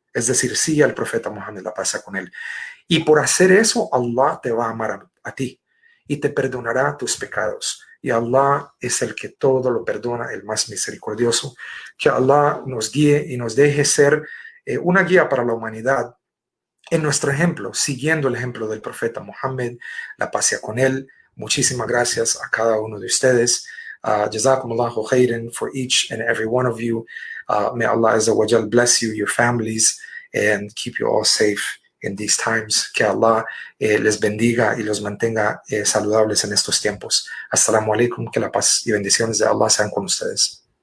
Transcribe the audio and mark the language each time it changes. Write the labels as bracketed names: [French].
[Spanish] Es decir, sigue al profeta Muhammad, la pasa con él. Y por hacer eso, Allah te va a amar a ti y te perdonará tus pecados. Y Allah es el que todo lo perdona, el más misericordioso. Que Allah nos guíe y nos deje ser una guía para la humanidad en nuestro ejemplo, siguiendo el ejemplo del profeta Muhammad, la paz sea con él. Muchísimas gracias a cada uno de ustedes. [Arabic] Jazakumullahu khairan [English] for each and every one of you. May Allah [Arabic] Azza wa Jal [English] bless you, your families, and keep you all safe in these times. [Spanish] Que Allah les bendiga y los mantenga saludables en estos tiempos. [Arabic] Assalamu alaikum. [Spanish] Que la paz y bendiciones de Allah sean con ustedes.